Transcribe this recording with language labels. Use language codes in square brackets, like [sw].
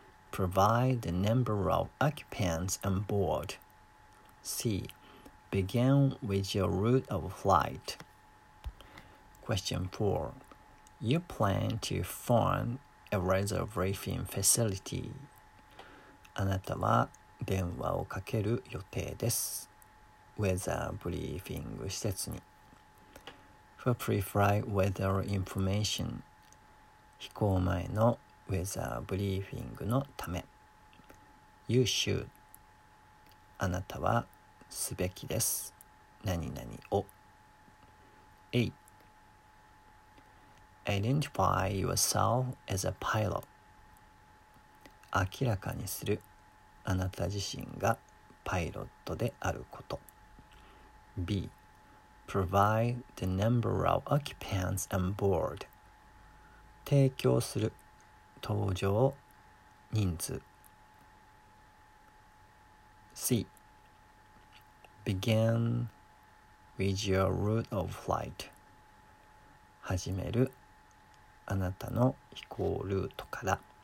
[en] Provide the number of occupants on board. C. Begin with your route of flight. Question 4. You plan to form a weather briefing facility. [ja] あなたは電話をかける予定です。ウェザーブリーフィング施設に。 [en] For pre-flight weather information. [ja] 飛行前のウェザーブリーフィングのため。 [en] You should. [ja] あなたはすべきです。何々を。A. [en] Identify yourself as a pilot. [ja] 明らかにするあなた自身がパイロットであること。 [en] B. Provide the number of occupants on board. [ja] 提供する搭乗人数。 [en] C. Begin with your route of flight. [ja] 始めるあなたの飛行ルートから。